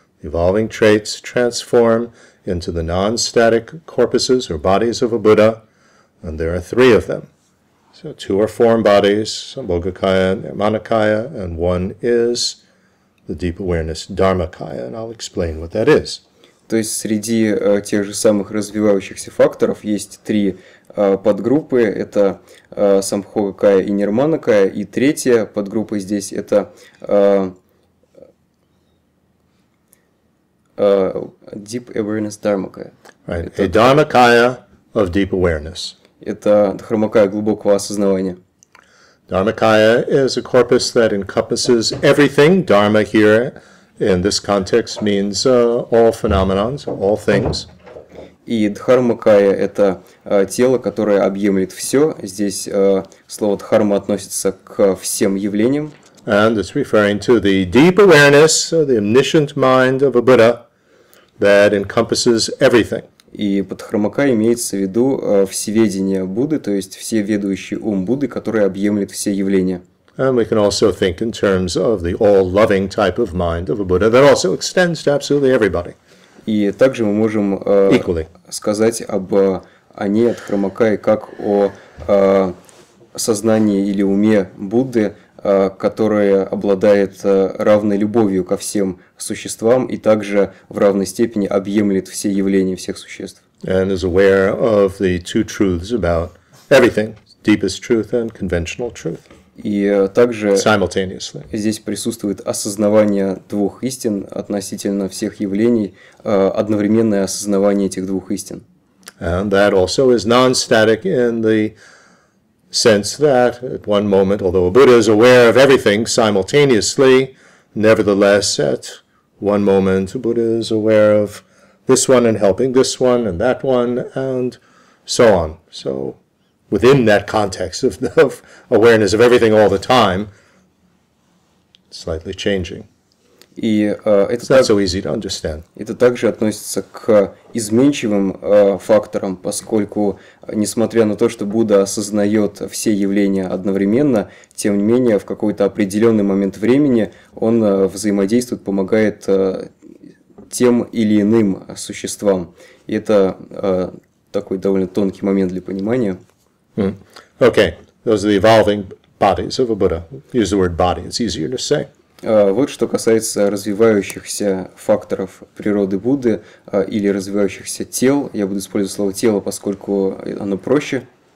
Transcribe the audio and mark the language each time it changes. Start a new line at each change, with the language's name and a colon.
English: Evolving traits transform into the non-static corpuses or bodies of a Buddha, and there are three of them. So two are form bodies, Sambhogakaya and Nirmanakaya, and one is the deep awareness Dharmakaya, and I'll explain what that is.
Russian: То есть среди тех же самых развивающихся факторов есть три подгруппы. Это Сампхогакая и Нирманакая. И третья подгруппа здесь – это
English: Deep Awareness Dharmakaya. Right.
Russian: Это,
English: a Dharmakaya of Deep Awareness.
Russian: Это Дхармакая глубокого осознавания.
English: Dharmakaya is a corpus that encompasses everything. Dharma here in this context means all phenomena, all things.
Russian: И Дхармакая – это тело, которое объемлет все. Здесь слово «дхарма» относится к всем явлениям.
English: And it's referring to the deep awareness, the omniscient mind of a Buddha that encompasses everything.
Russian: И под Дхармакая имеется в виду всеведение Будды, то есть всеведущий ум Будды, который объемлет все явления.
English: And we can also think in terms of the all-loving type of mind of a Buddha that also extends to absolutely everybody.
Russian: И также мы можем сказать об Ани Дхармакае как о сознании или уме Будды, которое обладает равной любовью ко всем существам и также в равной степени объемлет все явления всех существ.
English: And is aware of the two truths about everything, deepest truth and conventional truth.
Russian: И также здесь присутствует осознавание двух истин относительно всех явлений, одновременное осознавание этих двух истин.
English: And that also is non-static in the sense that at one moment, although a Buddha is aware of everything simultaneously, nevertheless, at one moment, a Buddha is aware of this one and helping this one and that one and so on. So within that context of awareness of everything all the time, slightly changing.
Russian: И,
English: it's not so easy to understand.
Russian: Это также относится к изменчивым факторам, поскольку, несмотря на то, что Будда осознает все явления одновременно, тем не менее, в какой-то определенный момент времени он взаимодействует, помогает тем или иным существам. И это такой довольно тонкий момент для понимания.
English: Okay, those are the evolving bodies of a Buddha. Use the word body, it's easier to say.
Russian: Вот что касается развивающихся факторов природы Будды или развивающихся тел. Я буду использовать слово тело, поскольку оно проще.